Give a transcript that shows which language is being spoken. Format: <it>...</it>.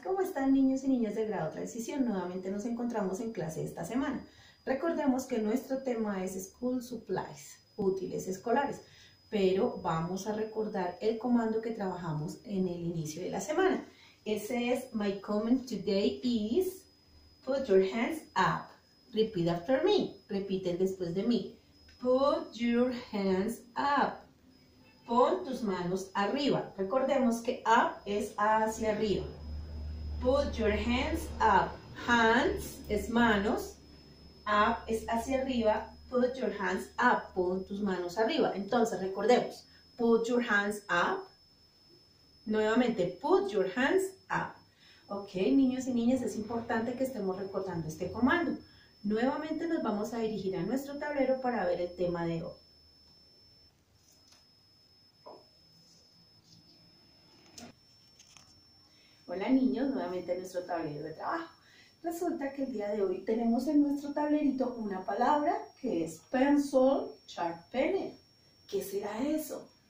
<es>¿Cómo están, niños y niñas del grado Transición? Nuevamente nos encontramos en clase esta semana. Recordemos que nuestro tema es School Supplies, útiles escolares, pero vamos a recordar el comando que trabajamos en el inicio de la semana. Ese es:</es> <en>My comment today is put your hands up. Repeat after me.</en> <es>Repiten después de mí.</es> <en>Put your hands up.</en> <es>Pon tus manos arriba. Recordemos que up es hacia arriba.</es> <en>Put your hands up. Hands</en> <es>es manos. Up es hacia arriba.</es> <en>Put your hands up.</en> <es>Pon tus manos arriba. Entonces, recordemos.</es> <en>Put your hands up.</en> <es>Nuevamente,</es> <en>put your hands up.</en> <es>Ok, niños y niñas, es importante que estemos recordando este comando. Nuevamente nos vamos a dirigir a nuestro tablero para ver el tema de hoy. Hola niños, nuevamente nuestro tablero de trabajo. Resulta que el día de hoy tenemos en nuestro tablerito una palabra que es pencil sharpener. ¿Qué será eso?</es>